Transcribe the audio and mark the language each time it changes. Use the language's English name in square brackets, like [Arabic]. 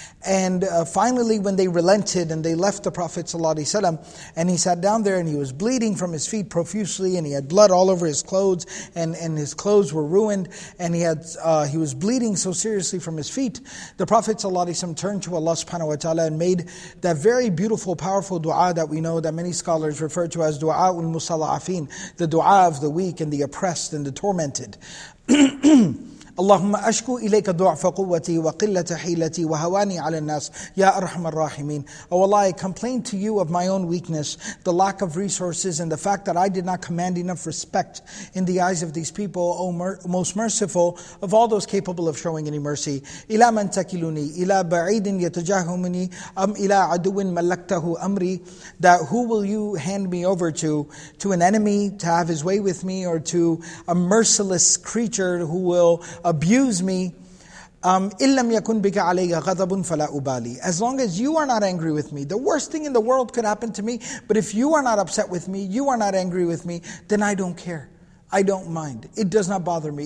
[English] And finally, when they relented and they left the Prophet ﷺ, and he sat down there and he was bleeding from his feet profusely, and he had blood all over his clothes, and his clothes were ruined, and he was bleeding so seriously from his feet. The Prophet ﷺ turned to Allah subhanahu wa ta'ala and made that very beautiful, powerful dua that we know, that many scholars refer to as dua al-musalla'afin, the dua of the weak and the oppressed and the tormented. [Arabic] اللهم أشكو إليك ضعف قوتي وقلة حيلتي وهواني على الناس يا أرحم الراحمين. [English] Oh Allah, I complain to you of my own weakness, the lack of resources, and the fact that I did not command enough respect in the eyes of these people. Most merciful of all those capable of showing any mercy. [Arabic] إلى من تكلني إلى بعيد يتجاهمني أم إلى عدو ملكته أمري. [English] That who will you hand me over to an enemy to have his way with me, or to a merciless creature who will abuse me? [Arabic] إِلَّمْ يَكُنْ بِكَ عَلَيْهَ غَضَبٌ فَلَا أُبَالِي. [English] As long as you are not angry with me, the worst thing in the world could happen to me, but if you are not upset with me, you are not angry with me, then I don't care. I don't mind. It does not bother me.